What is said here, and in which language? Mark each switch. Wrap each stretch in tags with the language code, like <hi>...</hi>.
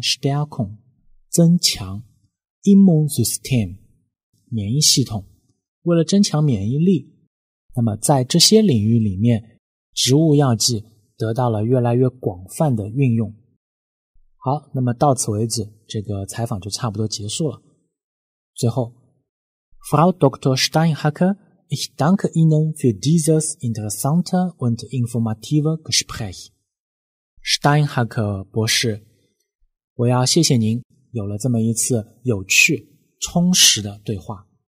<zh>Stärkung 增强。Immunsystem 免疫系统，为了增强免疫力。那么在这些领域里面，植物药剂得到了越来越广泛的运用。好，那么到此为止，这个采访就差不多结束了。最后， Frau Dr.</zh> <de>Steinhacker, ich danke Ihnen für dieses interessante und informative Gespräch.</de> <zh>Steinhacker 博士，我要谢谢您有了这么一次有趣充实的对话。</zh>